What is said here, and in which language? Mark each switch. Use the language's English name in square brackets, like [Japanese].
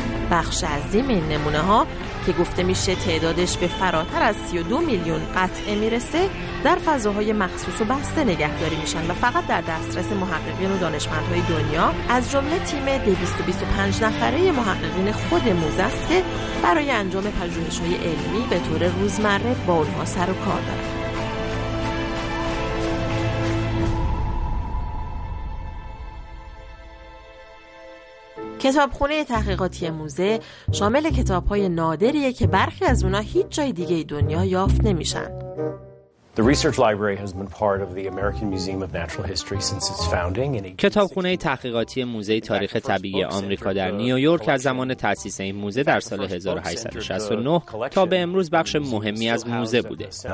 [Persian] بخش عظیم این نمونه‌ها که گفته میشه تعدادش به فراتر از 32 میلیون قطعه میرسه، در فضاهای مخصوص و بسته نگهداری میشن و فقط در دسترس محققین و دانشمندهای دنیا، از جمله تیم 225 نفره محققین خود موزه است که برای انجام پژوهش‌های علمی به طور روزمره با اونها سر و کار دارن. کتابخونه تحقیقاتی موزه شامل کتاب‌های نادریه که برخی از اونها هیچ جای دیگه دنیا یافت نمیشن. [English] The research library has been part of the American Museum of Natural History since its founding. [Persian] کتابخونه تحقیقاتی موزه تاریخ طبیعی آمریکا در نیویورک از زمان تأسیس این موزه در سال 1869 تا به امروز بخش مهمی از موزه بوده.